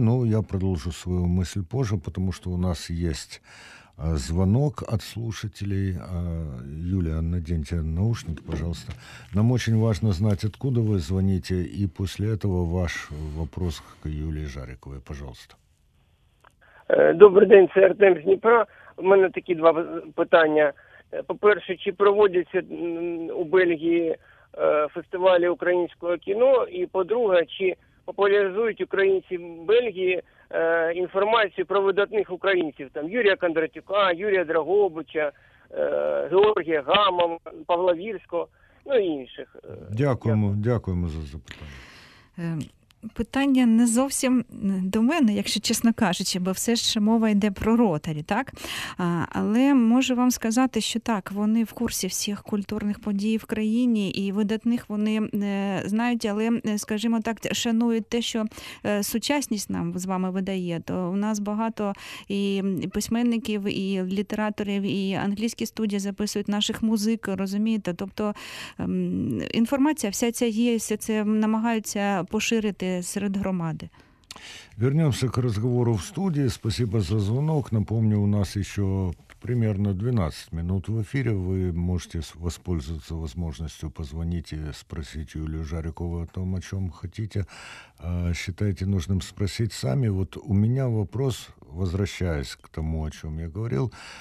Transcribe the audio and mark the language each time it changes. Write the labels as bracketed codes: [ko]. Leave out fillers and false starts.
[ru] Но я продолжу свою мысль позже, потому что у нас есть звонок от слушателей. Юлия, наденьте наушники, пожалуйста. Нам очень важно знать, откуда вы звоните, и после этого ваш вопрос к Юлии Жариковой, пожалуйста. [uk] Добрий день, це Артем з Дніпра. У мене такі два питання. По-перше, чи проводяться у Бельгії фестивалі українського кіно? І по-друге, чи популяризують українці в Бельгії інформацію про видатних українців? Там Юрія Кондратюка, Юрія Драгобича, Георгія Гама, Павла Вірського, ну і інших. Дякуємо, дякуємо за запитання. Питання не зовсім до мене, якщо чесно кажучи, бо все ж мова йде про Ротарі, так? Але можу вам сказати, що так, вони в курсі всіх культурних подій в країні, і видатних вони знають, але, скажімо так, шанують те, що сучасність нам з вами видає. То у нас багато і письменників, і літераторів, і англійські студії записують наших музик, розумієте? Тобто інформація вся ця є, все це намагаються поширити серед громади. [ru] Вернемся к разговору в студии. Спасибо за звонок. Напомню, у нас еще примерно 12 минут в эфире. Вы можете воспользоваться возможностью позвонить и спросить Юлию Жарикову о том, о чем хотите. Считайте нужным спросить сами. Вот у меня вопрос, возвращаясь к тому, о чем я говорил.